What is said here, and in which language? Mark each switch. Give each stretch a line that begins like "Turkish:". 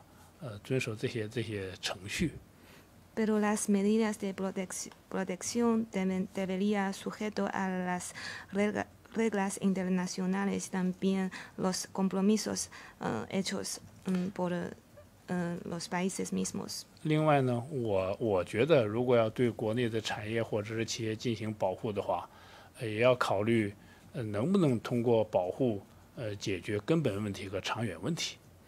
Chinese: 但是保护呢，也是要根据国际规则，根据这个本国的这个对外的承诺，遵守这些程序。
Spanish: Pero las medidas de protección deberían sujeto a las reglas internacionales, también los compromisos hechos por los países mismos.
Chinese: 另外呢，我觉得如果要对国内的产业或者是企业进行保护的话，也要考虑能不能通过保护解决根本问题和长远问题。